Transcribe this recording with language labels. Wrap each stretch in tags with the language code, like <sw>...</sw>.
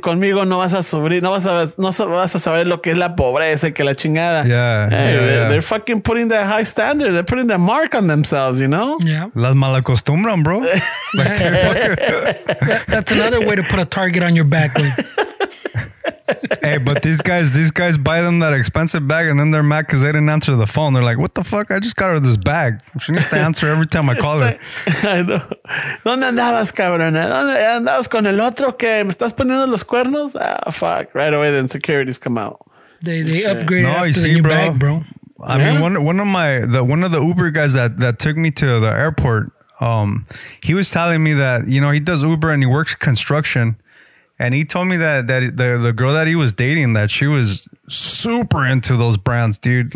<es>Conmigo no vas a sufrir, no vas a saber lo que es la pobreza, que la chingada.</es> <en>Yeah. They're fucking putting that high standard. They're putting that mark on themselves, you know? Yeah.</en> <es>Las malacostumbran, bro.</es> <en>That's another way to put a target on your back. Hey, but these guys buy them that expensive bag and then they're mad because they didn't answer the phone. They're like, what the fuck? I just got her this bag. She needs to answer every time I call her. I know.</en> <es>¿Dónde andabas, cabrón? ¿Dónde andabas con el otro que me estás poniendo los cuernos?</es> <en>Ah, fuck. Right away, then securities come out. They upgrade bag, bro. I mean, one of the Uber guys that took me to the airport, he was telling me that, you know, he does Uber and he works construction. And he told me that the girl that he was dating, that she was super into those brands, dude.</en>